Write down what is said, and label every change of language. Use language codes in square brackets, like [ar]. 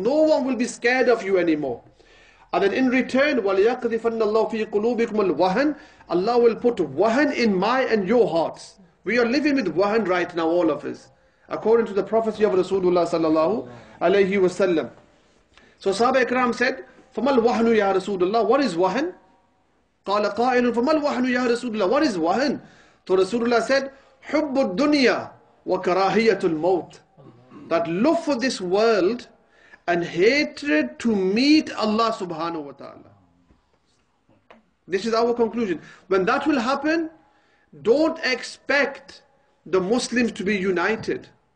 [en] No one will be scared of you anymore. And then in return, [ar] وَلَيَقْذِفَنَّ اللَّهُ فِي قُلُوبِكُمُ الْوَهَنِ [en] Allah will put wahan in my and your hearts. We are living with wahan right now, all of us. According to the prophecy of Rasulullah sallallahu alayhi wa sallam. So Sahaba Ikram said, [ar] فَمَا الْوَهَنُ يَا رَسُولُ اللَّهِ [en] What is wahan? [ar] قَالَ قَائِلٌ فَمَا الْوَهَنُ يَا رَسُولُ اللَّهِ [en] What is wahan? So Rasulullah said, [ar] حُبُّ الدُّنْيَا وَكَرَاهِيَةُ الْمَوْتِ [en] That love for this world and hatred to meet Allah subhanahu wa ta'ala. This is our conclusion. When that will happen, don't expect the Muslims to be united.